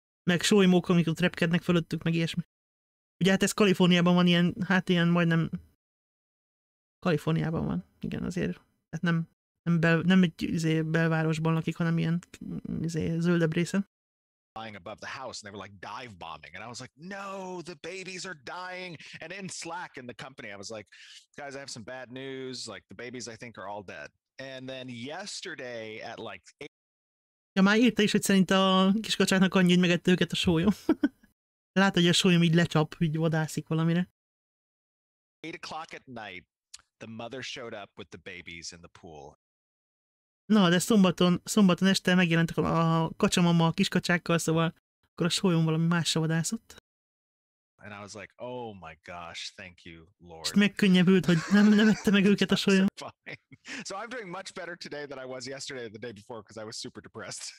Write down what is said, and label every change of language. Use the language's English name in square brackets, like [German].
[Hungarian] Meg sólymók, amik ott repkednek fölöttük, meg ilyesmi. Ugye hát ez Kaliforniában van ilyen, hát ilyen majdnem... Kaliforniában van, igen, azért. Hát nem egy belvárosban lakik, hanem ilyen zöldebb részen. [English] Flying above the house, and they were like dive bombing, and I was like, "No, the babies are dying." And in Slack in the company, I was like, "Guys, I have some bad news. Like the babies, I think, are all dead." And then yesterday at like 8. [Hungarian] Ja, már írta is, hogy szerint a kiskacsáknak annyi, hogy megette őket a sólyom. Lát, hogy a sólyom így lecsap, így vadászik valamire. [English] 8 o'clock at night, the mother showed up with the babies in the pool. [Hungarian] Na, de szombaton este megjelentek a kacsamama a kiskacsákkal, szóval akkor a sólyom valami másra vadászott. [English] And I was like, oh my gosh, thank you, Lord. [Hungarian] És megkönnyebbült, hogy nem vette meg őket a sólyom. [English] So I'm doing much better today than I was yesterday the day before, because I was super depressed.